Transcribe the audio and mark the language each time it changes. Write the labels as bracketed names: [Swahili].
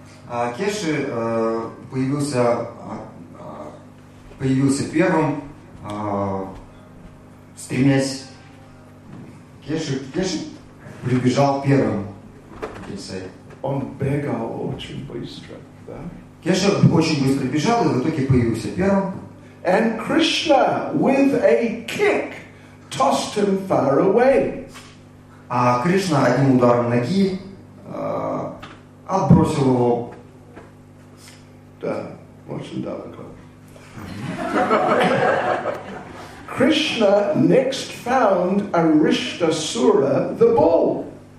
[Russian] Keshi появился первым, стремясь. Keshi прибежал первым. [English] You can say. [Russian] Он бегал очень быстро. Да. Кеша очень быстро бежал и в итоге появился первым. [English] And Krishna with a kick tossed him far away. [Russian] А Кришна одним ударом ноги отбросил его. Да, очень далеко. [English] Krishna next found Arishtasura the bull.